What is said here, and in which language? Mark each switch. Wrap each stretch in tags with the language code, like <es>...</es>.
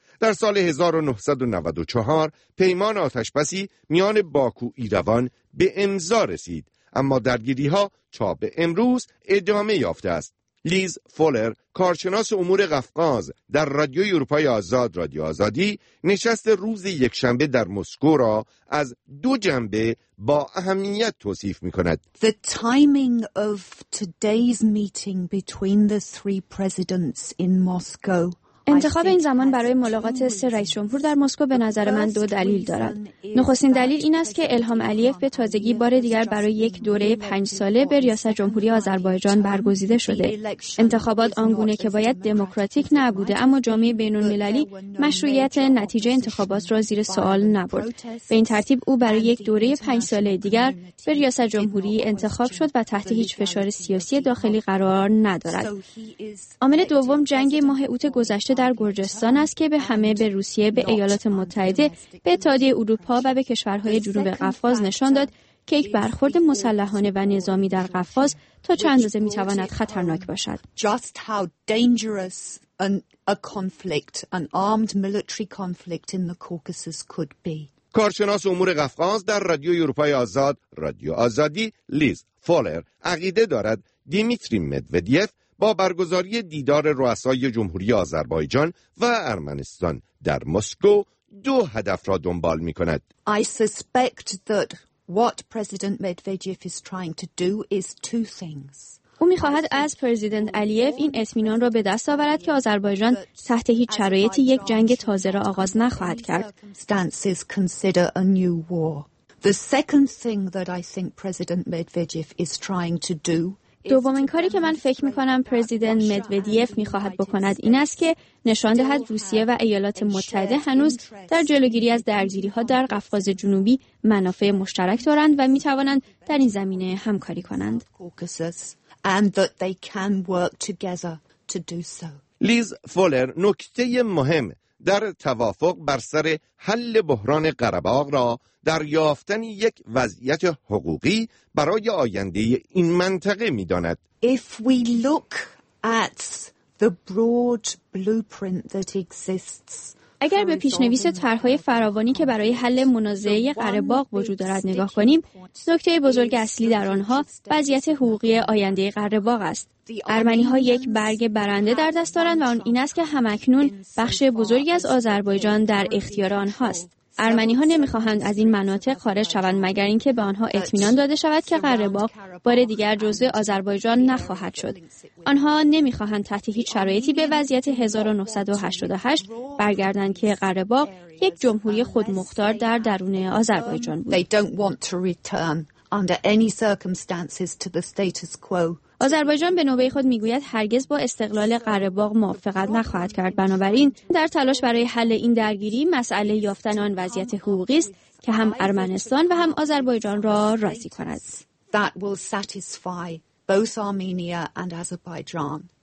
<fa>در سال 1994 پیمان آتش‌بسی میان باکو ایروان به امضا رسید، اما درگیری‌ها تا به امروز ادامه یافته است. لیز فولر، کارشناس امور قفقاز در رادیو اروپای آزاد، رادیو آزادی، نشست روز یکشنبه در مسکو را از دو جنبه با اهمیت توصیف می‌کند.</fa> <en>The timing of today's meeting between the three presidents in Moscow.</en> <fa>انتخاب این زمان برای ملاقات سه رئیس جمهور در مسکو به نظر من دو دلیل دارد. نخستین دلیل این است که الهام علیف به تازگی بار دیگر برای یک دوره 5 ساله به ریاست جمهوری آذربایجان برگزیده شده. انتخابات آنگونه که باید دموکراتیک نبوده، اما جامعه بین‌المللی مشروعیت نتیجه انتخابات را زیر سوال نبرد. به این ترتیب او برای یک دوره 5 ساله دیگر به ریاست جمهوری انتخاب شد و تحت هیچ فشار سیاسی داخلی قرار ندارد. عامل دوم، جنگ ماه اوت گذشته در گرجستان است که به همه، به روسیه، به ایالات متحده، به اتحادیه اروپا و به کشورهای جنوب قفقاز نشان داد که یک برخورد مسلحانه و نظامی در قفقاز تا چه اندازه میتواند خطرناک باشد.</fa> <en>Just how dangerous a conflict, an armed military conflict in the Caucasus could be.</en> <fa>کارشناس امور قفقاز در رادیو اروپای آزاد، رادیو آزادی، لیز فولر، عقیده دارد دیمیتری مدودیف با برگزاری دیدار رؤسای جمهوری آذربایجان و ارمنستان در مسکو دو هدف را دنبال می‌کند.</fa> <en>I suspect that what President Medvedev is trying to do is two things.</en> <fa>او می‌خواهد از پرزیدنت علیف این اطمینان را به دست آورد که آذربایجان تحت هیچ شرایطی یک جنگ تازه را آغاز نخواهد کرد.</fa> <en>The second thing that I think President Medvedev is trying to do.</en> <fa>دومین کاری که من فکر می‌کنم پرزیدنت مدودیف می‌خواهد بکند این است که نشان دهد روسیه و ایالات متحده هنوز در جلوگیری از درگیری‌ها در قفقاز جنوبی منافع مشترک دارند و می‌توانند در این زمینه همکاری کنند. لیز فولر نکته مهم در توافق بر سر حل بحران قره‌باغ را در یافتن یک وضعیت حقوقی برای آینده این منطقه می‌داند.</fa> <en>If we look at the broad blueprint that exists</en> <fa>اگر به پیشنویس طرح‌های فراوانی که برای حل منازعه قره‌باغ وجود دارد نگاه کنیم، نکته بزرگ اصلی در آنها وضعیت حقوقی آینده قره‌باغ است. ارمنی‌ها یک برگ برنده در دست دارند و آن این است که هم‌اکنون بخش بزرگی از آذربایجان در اختیار آنهاست. ارمنی‌ها نمی‌خواهند از این مناطق خارج شوند مگر اینکه به آنها اطمینان داده شود که قره‌باغ بار دیگر جزء آذربایجان نخواهد شد. آنها نمی‌خواهند تحت هیچ شرایطی به وضعیت 1988 برگردند که قره‌باغ یک جمهوری خودمختار در درون آذربایجان بود.</fa> <en>They don't want to return under any circumstances to the status quo.</en> <fa>آذربایجان به نوبه خود میگوید هرگز با استقلال قره‌باغ موافقت نخواهد کرد. بنابراین در تلاش برای حل این درگیری مسئله یافتن آن وضعیت حقوقی است که هم ارمنستان و هم آذربایجان را راضی کند.</fa> <en>That will satisfy both Armenia and Azerbaijan.</en>